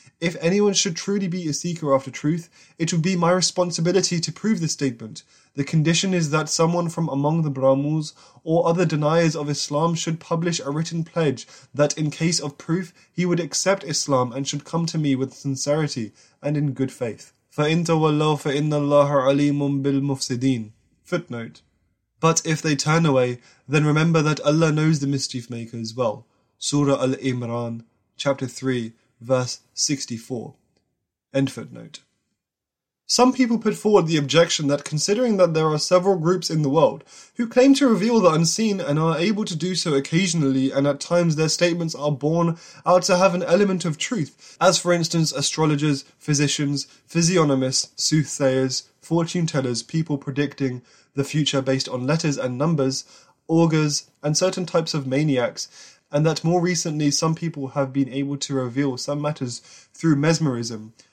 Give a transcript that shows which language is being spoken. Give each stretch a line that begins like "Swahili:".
English: If anyone should truly be a seeker after truth, it would be my responsibility to prove this statement. The condition is that someone from among the Brahmins or other deniers of Islam should publish a written pledge that in case of proof, he would accept Islam and should come to me with sincerity and in good faith.
Arabic: فَإِنْ تَوَلَّوْا فَإِنَّ اللَّهَ عَلِيمٌ بِالْمُفْسِدِينَ
English: Footnote. But if they turn away, then remember that Allah knows the mischief makers well. Surah Al-Imran, chapter 3, verse 64. End footnote. Some people put forward the objection that considering that there are several groups in the world who claim to reveal the unseen and are able to do so occasionally, and at times their statements are borne out to have an element of truth, as for instance astrologers, physicians, physiognomists, soothsayers, fortune tellers, people predicting the future based on letters and numbers, augurs, and certain types of maniacs, and that more recently some people have been able to reveal some matters through mesmerism.